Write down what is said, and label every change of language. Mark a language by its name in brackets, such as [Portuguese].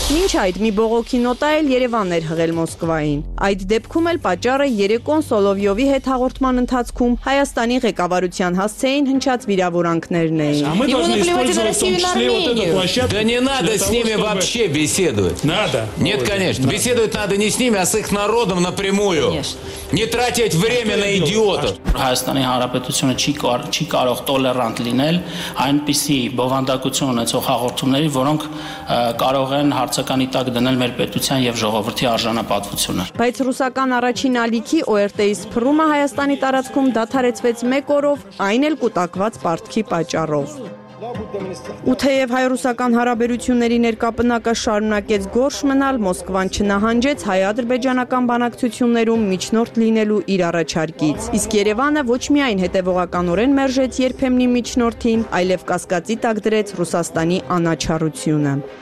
[Armenian] Ինչ այդ մի բողոքի նոտա էլ Երևանն էր հղել Մոսկվային։ Այդ դեպքում էլ պատճառը երեկոն Սոլովյովի հետ հաղորդման ընթացքում Հայաստանի ղեկավարության հասցեին հնչած վիրավորանքներն էին։ [Russian] Да не надо с ними вообще беседовать. Надо. Нет, конечно. Беседовать надо не с ними, а с их народом напрямую. Не тратить время на идиотов. [Armenian] Հայաստանի Հանրապետությունը չի կարող տոլերանտ լինել այնպիսի բովանդակություն ունեցող հաղորդումների, որոնք կարող են հարցականի տակ դնել մեր պետության և ժողովրդի արժանապատվությունը։ Բայց ռուսական առաջին ալիքի ՕՐՏ-ի սփռումը Հայաստանի տարածքում դադարեցվեց մեկ օրով, այն էլ կուտակված պարտքի պատճառով։ Ու թեև հայ-ռուսական հարաբերությունների ներկա պնակը շարունակեց գորշ մնալ, Մոսկվան չնահանջեց հայ-ադրբեջանական բանակցություններում միջնորդ լինելու իր առաջարկից, իսկ Երևանը ոչ միայն հետևողականորեն մերժեց երբեմնի միջնորդին, այլև կասկածի տակ դրեց Ռուսաստանի անաչառությունը։